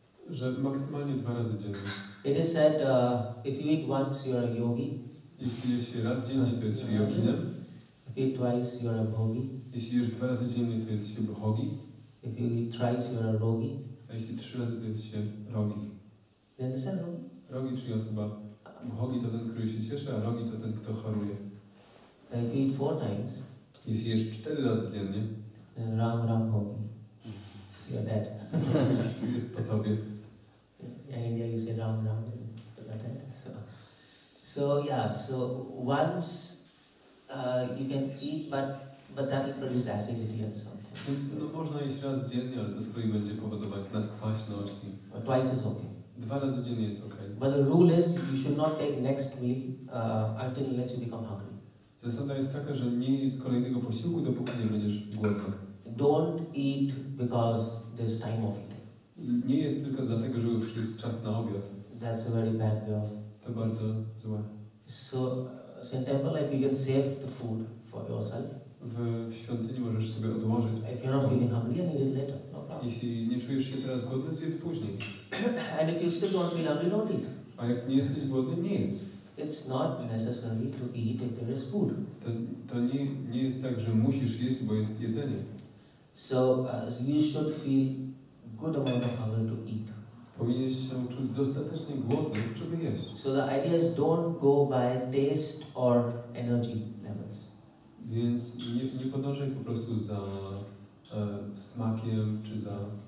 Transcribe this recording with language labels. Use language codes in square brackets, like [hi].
[pl] Że maksymalnie dwa razy dziennie. [en] It is said if you eat once, you are a yogi. [pl] Jeśli jesz raz dziennie, to jesteś joginem. [en] If you eat twice, you are a bhogi. [pl] Jeśli jesz dwa razy dziennie, to jesteś bhogi. [en] If you eat thrice, you are a rogi. [pl] A jeśli trzy razy, to jesteś rogi. [en] Then they said rogi. [pl] Rogi, czyli osoba. Bhogi to ten, który się cieszy, a rogi to ten, kto choruje. [en] If you eat four times. [pl] Jeśli jesz cztery razy dziennie. [en] Then ram bhogi. You're dead. [pl] Jest po tobie. [en] In India you say ram, you're dead. So once you can eat, but that will produce acidity or something. [pl] Więc no można jeść raz dziennie, ale to z kolei będzie powodować nadkwaśność. [en] Twice is okay. [pl] Dwa razy dziennie jest okej. [en] But the rule is you should not take next meal until unless you become hungry. [pl] Zasada jest taka, że nie jedz kolejnego posiłku, dopóki nie będziesz głodny. [en] Don't eat because there's time of eating. [pl] Nie jest tylko dlatego, że już jest czas na obiad. [en] That's a very bad way of. [pl] To bardzo złe. [en] So in temple life you can save the food for yourself. [pl] W świątyni możesz sobie odłożyć. [en] If you're not feeling hungry, you need it later. No problem. [pl] Jeśli nie czujesz się teraz głodny, zjedz później. [en] And if you still don't feel hungry, don't eat. [pl] A jak nie jesteś głodny, nie jedz. [en] It's not necessary to eat if there is food. [pl] To nie jest tak, że musisz jeść, bo jest jedzenie. [en] So you should feel good amount of hunger to eat. [pl] Powinieneś się czuć dostatecznie głodny, żeby jeść. [en] So the idea is don't go by taste or energy levels. [pl] Więc nie podążaj po prostu za smakiem czy za